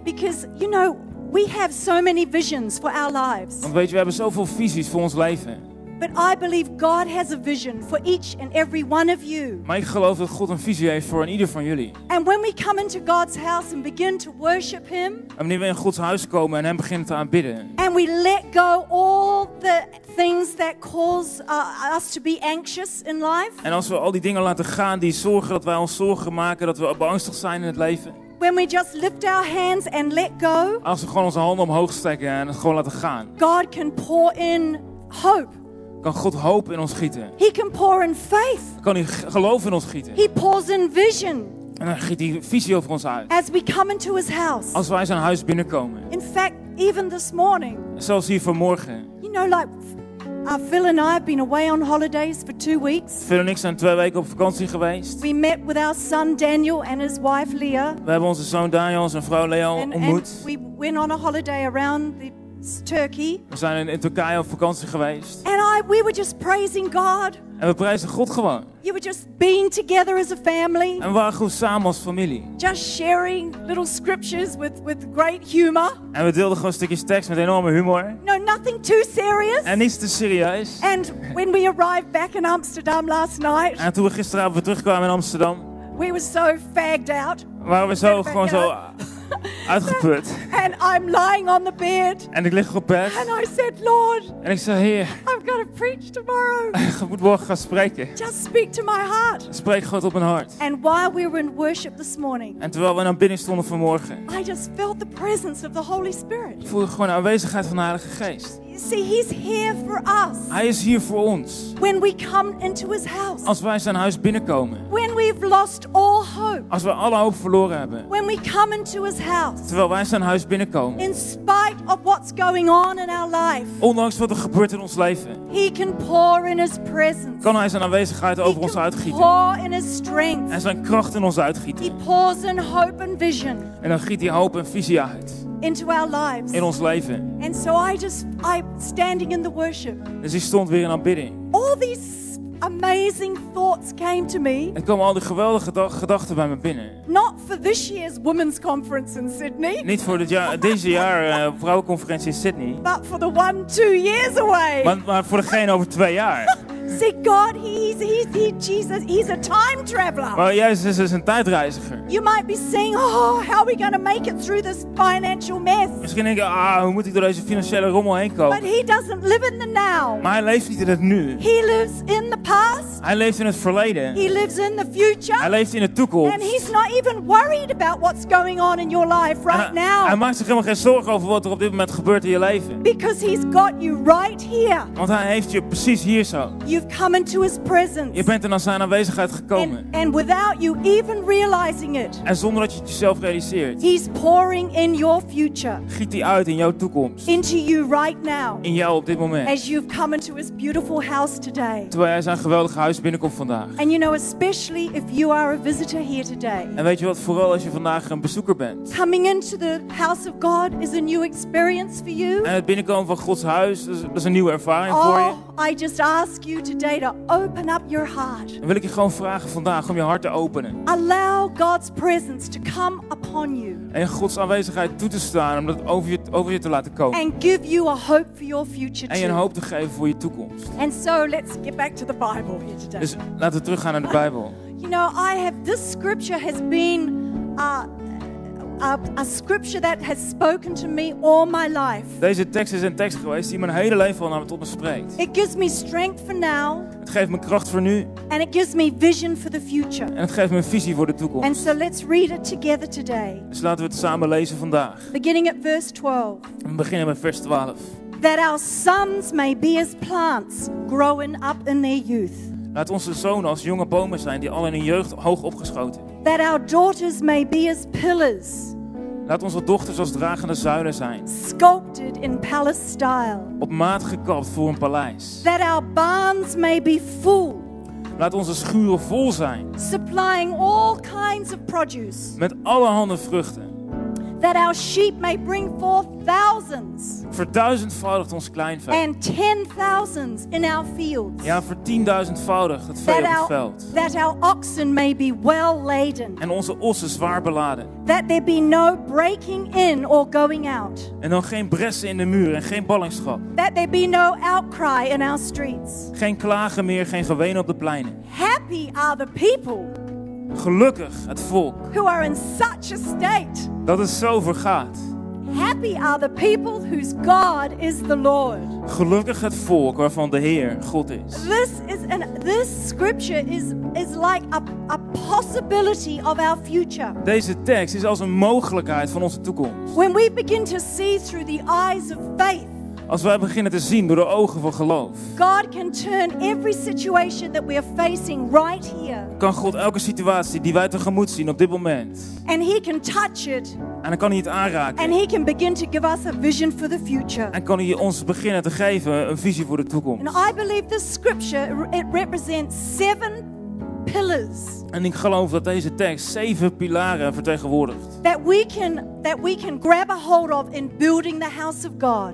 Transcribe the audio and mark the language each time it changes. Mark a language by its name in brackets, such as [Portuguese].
[English] Because you know, we have so many visions for our lives. [Dutch] Want weet je, we hebben zoveel visies voor ons leven. [English] But I believe God has a vision for each and every one of you. [Dutch] Maar ik geloof dat God een visie heeft voor ieder van jullie. [English] And when we come into God's house and begin to worship Him. [Dutch] En wanneer we in Gods huis komen en Hem beginnen te aanbidden. [English] And we let go all the things that cause us to be anxious in life. [Dutch] En als we al die dingen laten gaan die zorgen dat wij ons zorgen maken dat we beangstigd zijn in het leven. [English] When we just lift our hands and let go. [Dutch] Als we gewoon onze handen omhoog steken en het gewoon laten gaan. [English] God can pour in hope. [Dutch] Kan God hoop in ons gieten? [English] He can pour in faith. [Dutch] Kan hij geloof in ons gieten? [English] He pours in vision. [Dutch] En dan giet hij visie over ons uit. [English] As we come into his house. [Dutch] Als wij zijn huis binnenkomen. [English] In fact, even this morning. [Dutch] Zelfs hier vanmorgen. [English] You know, like Phil and I have been away on holidays for 2 weeks. [Dutch] Phil en ik zijn 2 weken op vakantie geweest. [English] We met with our son Daniel and his wife Leah. [Dutch] We hebben onze zoon Daniel en zijn vrouw Leah ontmoet. [English] And we went on a holiday around the Turkey. [Dutch] We zijn in Turkije op vakantie geweest. [English] And we were just praising God. [Dutch] En we prijzen God gewoon. [English] You were just being together as a family. [Dutch] En we waren goed samen als familie. [English] Just sharing little scriptures with great humor. [Dutch] En we deelden gewoon stukjes tekst met enorme humor. [English] No, nothing too serious. [Dutch] En niets te serieus. [English] And when we arrived back in Amsterdam last night. [Dutch] En toen we gisteravond terugkwamen in Amsterdam. [English] We were so fagged out. [Dutch] Waren we zo gewoon zo uitgeput. [English] And I'm lying on the bed. [Dutch] En ik lig op bed. [English] And I said, Lord. [Dutch] En ik zei, Heer. [English] I've got to preach tomorrow. [Dutch] Ik moet morgen gaan spreken. [English] Just speak to my heart. [Dutch] Spreek God op mijn hart. [English] And while we were in worship this morning. [Dutch] En terwijl we naar binnen stonden vanmorgen. [English] I just felt the presence of the Holy Spirit. [Dutch] Ik voelde gewoon de aanwezigheid van de Heilige Geest. [English] See, he's here for us. [Dutch] Hij is hier voor ons. [English] When we come into his house. [Dutch] Als wij zijn huis binnenkomen. [English] When we've lost all hope. [Dutch] Als we alle hoop verloren hebben. [English] When we come into his house. [Dutch] Terwijl wij zijn huis binnenkomen. [English] In spite of what's going on in our life. [Dutch] Ondanks wat er gebeurt in ons leven. [English] He can pour in his presence. [Dutch] Kan hij zijn aanwezigheid over ons uitgieten. [English] He can pour in his strength. [Dutch] En zijn kracht in ons uitgieten. [English] He pours in hope and vision. [Dutch] En dan giet hij hoop en visie uit. [English] Into our lives. [Dutch] In ons leven. [English] And so I standing in the worship. [Dutch] Dus ik stond weer in aanbidding. [English] All these amazing thoughts came to me. [Dutch] Er kwamen al die geweldige gedachten bij me binnen. [English] Not for this year's women's conference in Sydney. [Dutch] Niet voor deze jaar vrouwenconferentie in Sydney. [English] But for the 1-2 years away. [Dutch] Maar voor degene over 2 jaar. [English] See God, Jesus, he's a time traveler. [Dutch] Maar Jezus is een tijdreiziger. [English] You might be saying, oh, how are we going to make it through this financial mess? [Dutch] Misschien denk je, hoe moet ik door deze financiële rommel heen komen? [English] But he doesn't live in the now. [Dutch] Maar hij leeft niet in het nu. [English] He lives in the past. [Dutch] Hij leeft in het verleden. [English] He lives in the future. [Dutch] Hij leeft in de toekomst. [English] And he's not even worried about what's going on in your life right now. [Dutch] Hij maakt zich helemaal geen zorgen over wat er op dit moment gebeurt in je leven. [English] Because he's got you right here. [Dutch] Want hij heeft je precies hier zo. [English] You've come into his presence. presence. [Dutch] Je bent er naar zijn aanwezigheid gekomen. [English] And without you even realizing it. [Dutch] En zonder dat je het jezelf realiseert. [English] He's pouring in your future. [Dutch] Giet hij uit in jouw toekomst. [English] Into you right now. [Dutch] In jou op dit moment. [English] As you've come into his beautiful house today. [Dutch] Terwijl jij zijn geweldige huis binnenkomt vandaag. [English] And you know, especially if you are a visitor here today. [Dutch] En weet je wat, vooral als je vandaag een bezoeker bent. [English] Coming into the house of God is a new experience for you. [Dutch] En het binnenkomen van Gods huis, dat is een nieuwe ervaring voor je. [English] I just ask you today to open up your heart. [Dutch] Dan wil ik je gewoon vragen vandaag om je hart te openen. [English] Allow God's presence to come upon you. [Dutch] En Gods aanwezigheid toe te staan om dat over je te laten komen. [English] And give you a hope for your future too. [Dutch] En je een hoop te geven voor je toekomst. [English] And so let's get back to the Bible here today. [Dutch] Dus laten we teruggaan naar de Bijbel. [English] You know, I have this scripture has been a scripture that has spoken to me all my life. [Dutch] Deze tekst is een tekst geweest die mijn hele leven al naar me tot me spreekt. [English] It gives me strength for now. [Dutch] Het geeft me kracht voor nu. [English] And it gives me vision for the future. [Dutch] En het geeft me een visie voor de toekomst. [English] And so let's read it together today. [Dutch] Dus laten we het samen lezen vandaag. [English] Beginning at verse 12. [Dutch] We beginnen met vers 12. [English] That our sons may be as plants growing up in their youth. [Dutch] Laat onze zonen als jonge bomen zijn die al in hun jeugd hoog opgeschoten. [English] That our daughters may be as pillars. [Dutch] Laat onze dochters als dragende zuilen zijn. [English] Sculpted in palace style. [Dutch] Op maat gekapt voor een paleis. [English] That our barns may be full. [Dutch] Laat onze schuren vol zijn. [English] Supplying all kinds of produce. [Dutch] Met allerhande vruchten. [English] That our sheep may bring forth thousands. [Dutch] Verduizendvoudigt ons kleinvee. [English] And 10,000s in our fields. [Dutch] Ja, vertienduizendvoudigt het vee op het veld. [English] That our oxen may be well laden. [Dutch] En onze ossen zwaar beladen. [English] That there be no breaking in or going out. [Dutch] En dan geen bressen in de muur en geen ballingschap. [English] That there be no outcry in our streets. [Dutch] Geen klagen meer, geen geween op de pleinen. [English] Happy are the people. [Dutch] Gelukkig het volk. [English] Who are in such a state. [Dutch] Dat het zo vergaat. [English] Happy are the people whose God is the Lord. [Dutch] Gelukkig het volk waarvan de Heer God is. [English] This scripture is like a possibility of our future. [Dutch] Deze tekst is als een mogelijkheid van onze toekomst. [English] When we begin to see through the eyes of faith. [Dutch] Als wij beginnen te zien door de ogen van geloof. [English] God can turn every situation that we are facing right here. [Dutch] Kan God elke situatie die wij tegemoet zien op dit moment. [English] And he can touch it. [Dutch] En dan kan hij het aanraken. [English] And he can begin to give us a vision for the future. [Dutch] En kan hij ons beginnen te geven een visie voor de toekomst. [English] And I believe this scripture it represents 7 pillars. [Dutch] En ik geloof dat deze tekst 7 pilaren vertegenwoordigt. [English] That we can grab a hold of in building the house of God.